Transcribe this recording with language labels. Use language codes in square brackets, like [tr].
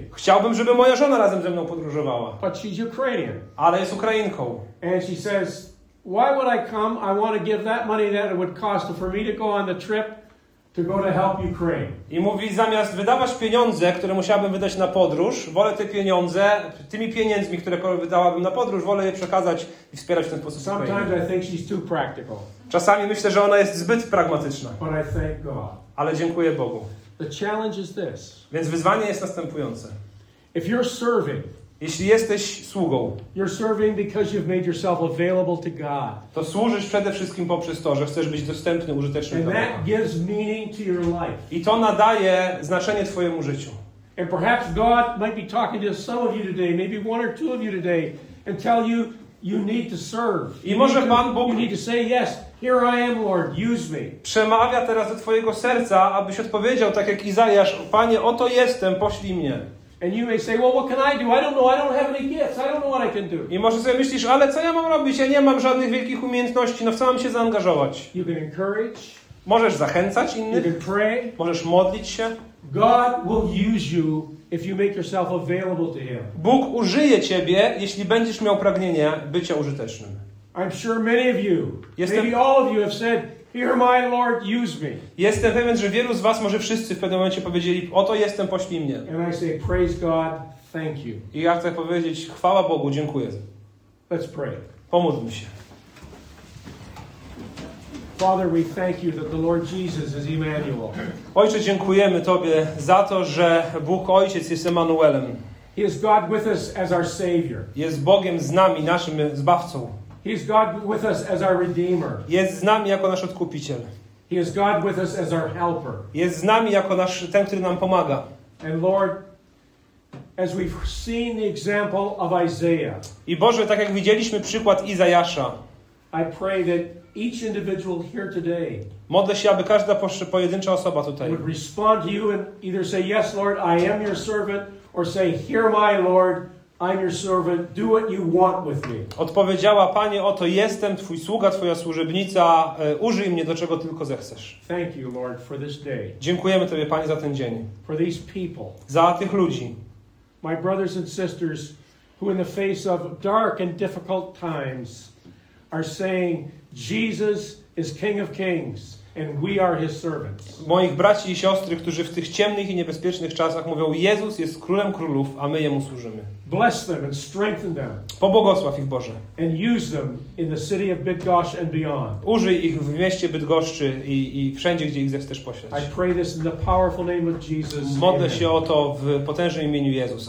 [pl] Chciałbym, żeby moja żona razem ze mną podróżowała. [en] But she's Ukrainian. [pl] Ale jest Ukrainką. [en] And she says, why would I come? I want to give that money that it would cost for me to go on the trip. To go to help Ukraine. [pl] I mówi, zamiast wydawać pieniądze, które musiałbym wydać na podróż, wolę te pieniądze, tymi pieniędzmi, które wydałabym na podróż, wolę je przekazać i wspierać w ten sposób. [en] Sometimes I think she's too practical. [pl] Czasami myślę, że ona jest zbyt pragmatyczna. [en] But I thank God. [pl] Ale dziękuję Bogu. [en] The challenge is this. [pl] Więc wyzwanie jest następujące. [en] If you're serving, [pl] jeśli jesteś sługą, [en] you're serving because you've made yourself available to God. [pl] To służysz przede wszystkim poprzez to, że chcesz być dostępny, użyteczny dla Boga. [en] That gives meaning to your life. [pl] I to nadaje znaczenie twojemu życiu. [en] And perhaps God might be talking to some of you today, maybe one or two of you today, and tell you, you need to serve. [pl] I może Pan Bóg, [en] you need to say yes. Here I am, Lord. Use me. [pl] Przemawia teraz do twojego serca, abyś odpowiedział tak jak Izajasz: Panie, oto jestem, poślij mnie. [en] And you may say, well, what can I do? I don't know. I don't have any gifts. I don't know what I can do. [pl] I może sobie myślisz, ale co ja mam robić? Ja nie mam żadnych wielkich umiejętności. No w co mam się zaangażować? [en] You can encourage. [pl] Możesz zachęcać innych. [en] You can pray. [pl] Możesz modlić się. [en] God will use you if you make yourself available to Him. [pl] Bóg użyje ciebie, jeśli będziesz miał pragnienie bycia użytecznym. [en] I'm sure many of you, maybe all of you have said, here my Lord, use me. [pl] Jestem pewien, że wielu z was, może wszyscy w pewnym momencie powiedzieli, oto jestem, poślij mnie. [en] And I say, praise God, thank you. [pl] I ja chcę powiedzieć, chwała Bogu, dziękuję. [en] Let's pray. [pl] Pomódlmy się. [en] Father, we thank you that the Lord Jesus is Emmanuel. [pl] Ojcze, dziękujemy Tobie za to, że Bóg Ojciec jest Emanuelem. [en] He is God with us as our Savior. [pl] Jest Bogiem z nami, naszym Zbawcą. [en] He is God with us as our Redeemer. [pl] Jest z nami jako nasz Odkupiciel. [en] He is God with us as our Helper. [pl] Jest z nami jako nasz, ten, który nam pomaga. [en] And Lord, as we've seen the example of Isaiah. [pl] I Boże, tak jak widzieliśmy przykład Izajasza. [en] I pray that each individual here today. [pl] Modlę się, aby każda pojedyncza osoba tutaj. [en] Would respond to you and either say yes, Lord, I am your servant, or say hear my Lord. I'm your servant. Do what you want with me. [pl] Odpowiedziała: Panie, oto jestem twój sługa, twoja służebnica. Użyj mnie do czego tylko zechcesz. [en] Thank you, Lord, for this day. [pl] Dziękujemy tobie, Panie, za ten dzień. [en] For these people. [pl] Za tych ludzi. [en] My brothers and sisters who in the face of dark and difficult times are saying Jesus is King of Kings and we are his servants. [pl] Moich braci i siostry, którzy w tych ciemnych i niebezpiecznych czasach mówią: Jezus jest królem królów, a my jemu służymy. [en] Bless them and strengthen them. [pl] Pobłogosław ich, Boże. [en] And use them in the city of Bydgoszcz and beyond. [pl] Użyj ich w mieście Bydgoszczy i wszędzie, gdzie ich zechcesz posłać. [en] I pray this in the powerful name of Jesus. [pl] Modlę się o to w potężnym imieniu Jezus.